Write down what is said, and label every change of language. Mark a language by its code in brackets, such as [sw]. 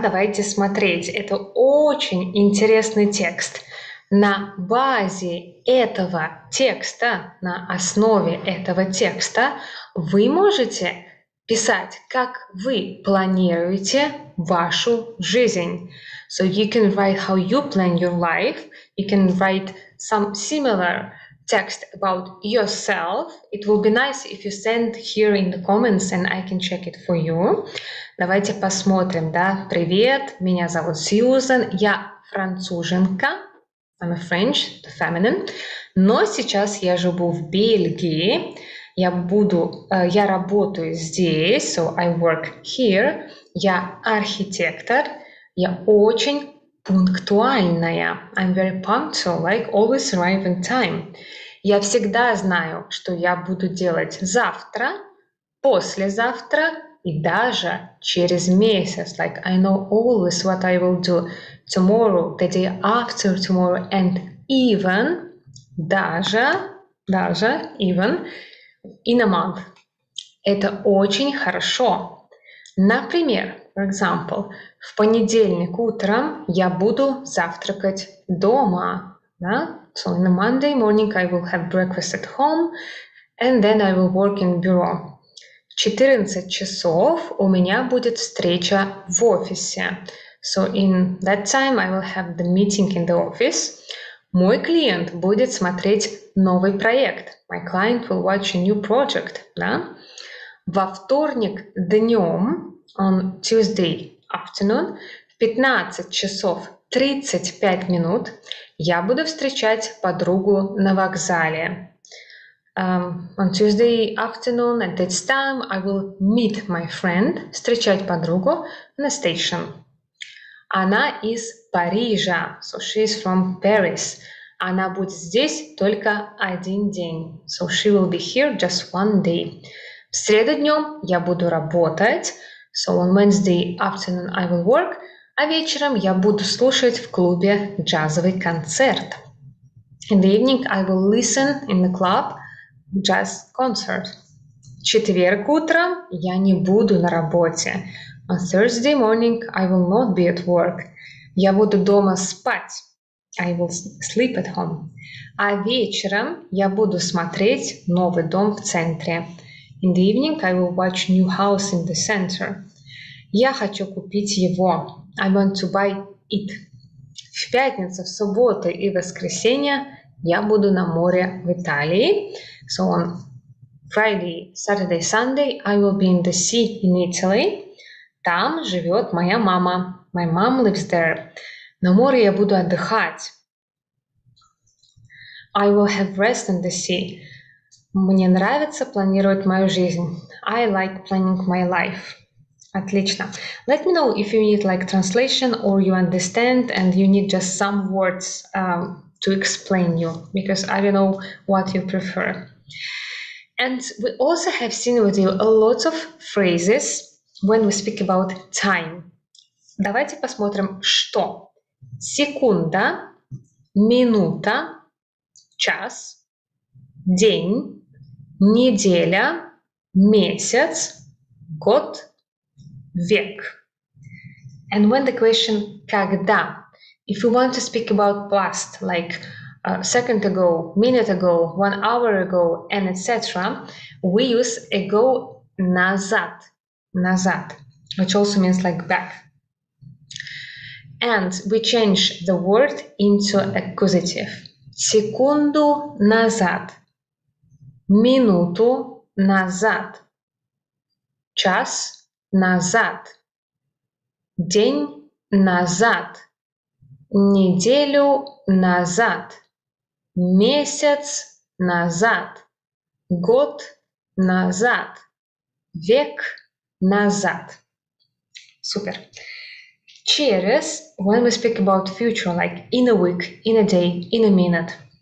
[ru] Давайте смотреть. Это очень интересный текст. На базе этого текста, на основе этого текста вы можете писать, как вы планируете вашу жизнь. [en] So you can write how you plan your life. You can write some similar text about yourself. It will be nice if you send here in the comments and I can check it for you. [ru] Давайте посмотрим, да? Привет, меня зовут Сьюзен, я француженка. [en] I'm a French, the feminine. [ru] Но сейчас я живу в Бельгии. Я работаю здесь, [en] so I work here. [ru] Я архитектор, я очень пунктуальная. [en] I'm very punctual, like always arriving time. [ru] Я всегда знаю, что я буду делать завтра, послезавтра и даже через месяц. [en] Like I know always what I will do tomorrow, the day after tomorrow, and even, даже, even, in a month. [ru] Это очень хорошо. Например, [en] for example, [ru] в понедельник утром я буду завтракать дома. Да? [en] So in a Monday morning I will have breakfast at home and then I will work in bureau. [ru] В 14 часов у меня будет встреча в офисе. [en] So in that time I will have the meeting in the office. [ru] Мой клиент будет смотреть новый проект. [en] My client will watch a new project, [ru] да? Во вторник днем, [en] on Tuesday afternoon, [ru] в 15 часов 35 минут, я буду встречать подругу на вокзале. [en] On Tuesday afternoon, at that time, I will meet my friend, [ru] встречать подругу на [en] station. [ru] Она из Парижа, [en] so she is from Paris. [ru] Она будет здесь только один день, [en] so she will be here just one day. [ru] В среду днем я буду работать, [en] so on Wednesday afternoon I will work, [ru] а вечером я буду слушать в клубе джазовый концерт. [en] In the evening I will listen in the club jazz concert. [ru] В четверг утром я не буду на работе. [en] On Thursday morning, I will not be at work. [ru] Я буду дома спать. [en] I will sleep at home. [ru] А вечером я буду смотреть новый дом в центре. [en] In the evening, I will watch new house in the center. [ru] Я хочу купить его. [en] I want to buy it. [ru] В пятницу, в субботу и воскресенье я буду на море в Италии. [en] So on Friday, Saturday, Sunday, I will be in the sea in Italy. [ru] Там живет моя мама. [en] My mom lives there. [ru] На море я буду отдыхать. [en] I will have rest in the sea. [ru] Мне нравится планировать мою жизнь. [en] I like planning my life. Отлично. Let me know if you need like translation or you understand and you need just some words to explain you, because I don't know what you prefer. And we also have seen with you a lot of phrases when we speak about time. [ru] Давайте посмотрим, что. Секунда, минута, час, день, неделя, месяц, год, век. [en] And when the question когда, if you want to speak about past, like a second ago, minute ago, 1 hour ago, and etc., we use ago назад, назад, which also means like back. And we change the word into accusative. [ru] Секунду назад, минуту назад, час назад, день назад, неделю назад, месяц назад, год назад, век назад. Супер. [en] Через, when we speak about future, like in a week, in a day, in a minute.